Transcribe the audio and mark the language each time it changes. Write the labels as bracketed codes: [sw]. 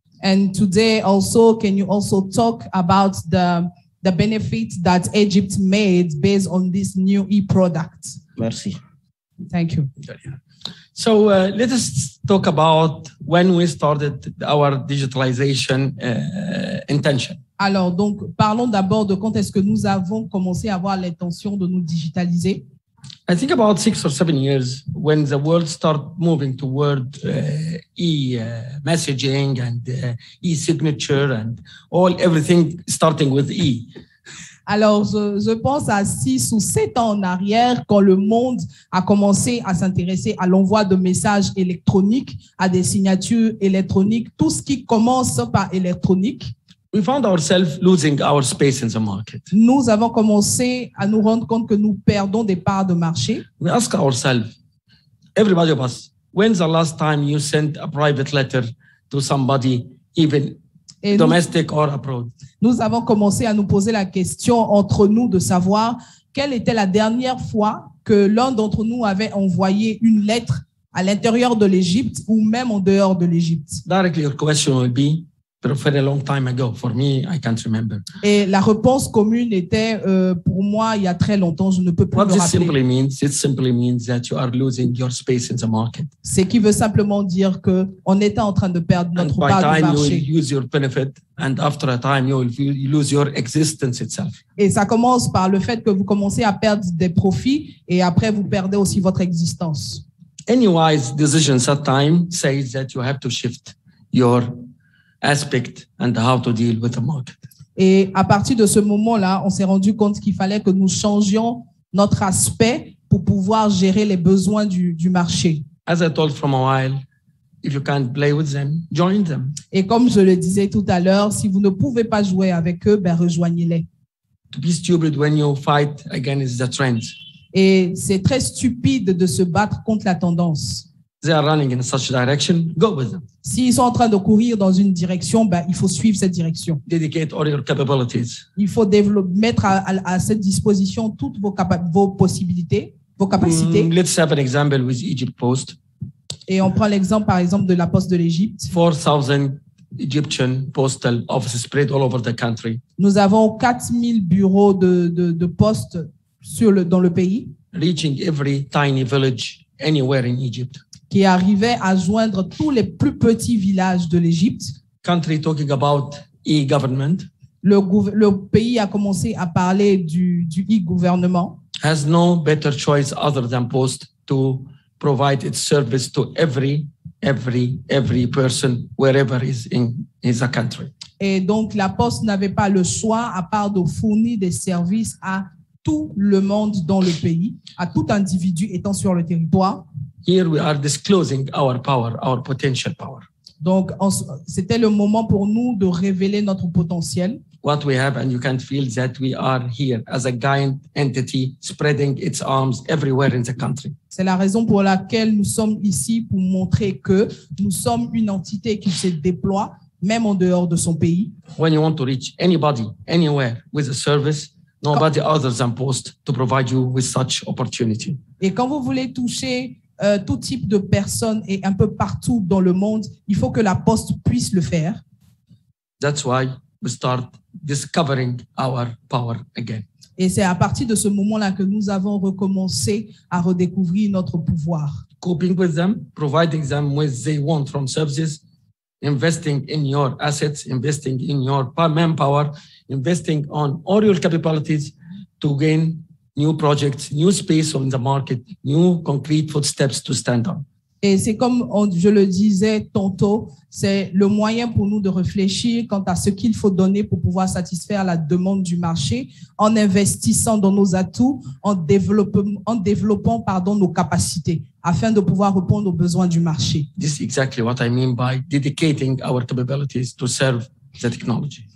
[en] And today also, can you also talk about the benefits that Egypt made based on this new e-product? [fr] Merci. [en] Thank you. So let us talk about when we started our digitalization intention. [fr] Alors donc parlons d'abord de quand est-ce que nous avons commencé à avoir l'intention de nous digitaliser. [en] I think about 6 or 7 years when the world start moving toward e-messaging and e-signature and all everything starting with e. [fr] Alors, je pense à 6 ou 7 ans en arrière, quand le monde a commencé à s'intéresser à l'envoi de messages électroniques, à des signatures électroniques, tout ce qui commence par électronique. [en] We found ourselves losing our space in the market. [fr] Nous avons commencé à nous rendre compte que nous perdons des parts de marché. [en] We ask ourselves, everybody of us, when's the last time you sent a private letter to somebody, even et domestic nous, or abroad? [fr] Nous avons commencé à nous poser la question entre nous de savoir quelle était la dernière fois que l'un d'entre nous avait envoyé une lettre à l'intérieur de l'Égypte ou même en dehors de l'Égypte. [en] Directly, your question will be, but for a long time ago, for me, I can't remember. [fr] Et la réponse commune était, pour moi, il y a très longtemps, je ne peux plus me rappeler. [en] What this simply means, it simply means that you are losing your space in the market. [fr] C'est qui veut simplement dire que on était en train de perdre notre part de marché. [en] And by time, you will lose your benefit, and after a time, you will lose your existence itself. [fr] Et ça commence par le fait que vous commencez à perdre des profits, et après, vous perdez aussi votre existence. [en] Any wise decision at time says that you have to shift your aspect and how to deal with the market. [fr] Et à partir de ce moment-là, on s'est rendu compte qu'il fallait que nous changions notre aspect pour pouvoir gérer les besoins du marché. [en] As I told from a while, if you can't play with them, join them. [fr] Et comme je le disais tout à l'heure, si vous ne pouvez pas jouer avec eux, ben rejoignez-les. [en] To be stupid when you fight against the trend. [fr] Et c'est très stupide de se battre contre la tendance. [en] They are running in such a direction, go with them. [fr] S'ils sont en train de courir dans une direction, ben, il faut suivre cette direction. [en] Dedicate all your capabilities. [fr] Il faut mettre à cette disposition toutes vos possibilités, vos capacités. [en] Let's have an example with Egypt Post. [fr] Et on prend l'exemple, par exemple, de la Poste de l'Égypte. [en] 4,000 Egyptian postal offices spread all over the country. [fr] Nous avons 4,000 bureaux de poste dans le pays. [en] Reaching every tiny village anywhere in Egypt. [fr] Qui arrivait à joindre tous les plus petits villages de l'Égypte. [en] Country talking about e-government. [fr] Le pays a commencé à parler du e-gouvernement. [en] Has no better choice other than post to provide its service to every person wherever is in his country. [fr] Et donc la poste n'avait pas le choix à part de fournir des services à tout le monde dans le pays, à tout individu étant sur le territoire. [en] Here we are disclosing our power, our potential power. [fr] Donc, c'était le moment pour nous de révéler notre potentiel. [en] What we have, and you can feel that we are here as a giant entity spreading its arms everywhere in the country. [fr] C'est la raison pour laquelle nous sommes ici pour montrer que nous sommes une entité qui se déploie même en dehors de son pays. [en] When you want to reach anybody, anywhere with a service, nobody other than Post to provide you with such opportunity. [fr] Et quand vous voulez toucher tout type de personnes et un peu partout dans le monde, il faut que la poste puisse le faire. [en] That's why we start discovering our power again. [fr] Et c'est à partir de ce moment-là que nous avons recommencé à redécouvrir notre pouvoir. [en] Coping with them, providing them what they want from services, investing in your assets, investing in your manpower, investing on all your capabilities to gain new projects, new space on the market, new concrete footsteps to stand on. [fr] Et c'est comme je le disais tantôt, c'est le moyen pour nous de réfléchir quant à ce qu'il faut donner pour pouvoir satisfaire la demande du marché en investissant dans nos atouts, en développant nos capacités afin de pouvoir répondre aux besoins du marché. [en] This is exactly what I mean by dedicating our capabilities to serve the technology.